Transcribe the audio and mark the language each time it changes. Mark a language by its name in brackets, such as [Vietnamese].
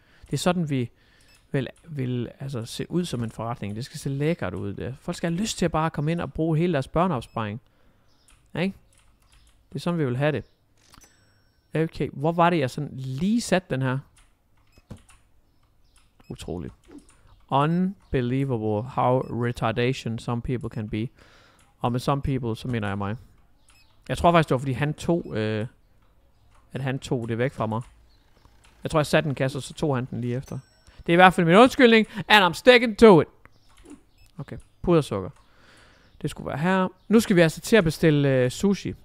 [Danish] Det er sådan, vi vil altså, se ud som en forretning. Det skal se lækkert ud. Det. Folk skal have lyst til at bare komme ind og bruge hele deres børneopsparing. Ikke? Det er sådan, vi vil have det. Okay, hvor var det, jeg sådan lige satte den her? Utroligt. [English] Unbelievable how retardation some people can be. [Danish] Og med [English] some people, [Danish] så mener jeg mig. Jeg tror faktisk, det var fordi han tog, at han tog det væk fra mig. Jeg tror, jeg satte en kasse, så tog han den lige efter. Det er i hvert fald min undskyldning, [English] and I'm sticking to it. [Danish] Okay, pudersukker. Det skulle være her. Nu skal vi altså til at bestille sushi.